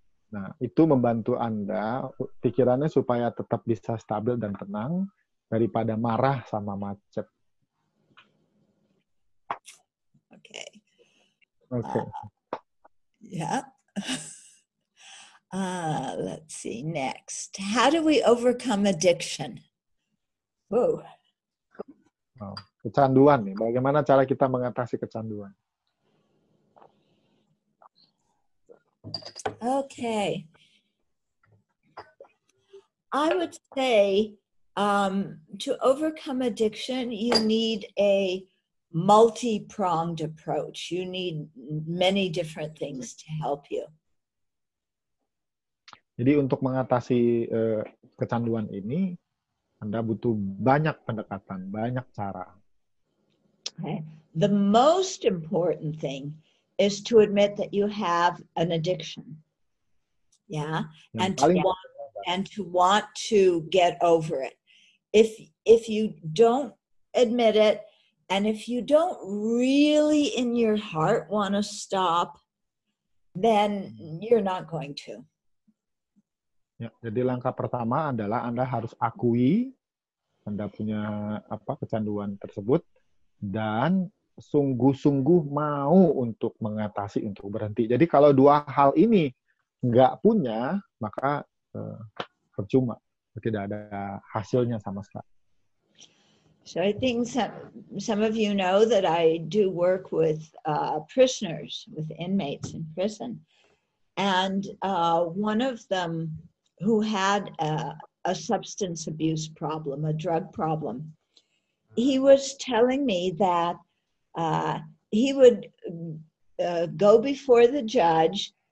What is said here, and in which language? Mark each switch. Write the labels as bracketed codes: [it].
[id] Nah, itu membantu Anda pikirannya supaya tetap bisa stabil dan tenang daripada marah sama macet. [en] Okay. Let's see next. How do we overcome addiction? [id] Kecanduan nih. Bagaimana cara kita mengatasi kecanduan? [en] Okay. I would say to overcome addiction, you need a multi-pronged approach. You need many different things to help you. [id] Jadi untuk mengatasi kecanduan ini, Anda butuh banyak pendekatan, banyak cara. [en] Okay. The most important thing is to admit that you have an addiction. Yeah, and to want to get over it. If you don't admit it, and if you don't really in your heart want to stop, then you're not going to. [id] Ya, jadi langkah pertama adalah Anda harus akui Anda punya apa kecanduan tersebut dan sungguh-sungguh mau untuk mengatasi, untuk berhenti. Jadi kalau dua hal ini nggak punya, maka percuma. Tidak ada hasilnya sama sekali. [en] So I think some of you know that I do work with prisoners, with inmates in prison. And one of them who had a substance abuse problem, a drug problem, he was telling me that he would go before the judge.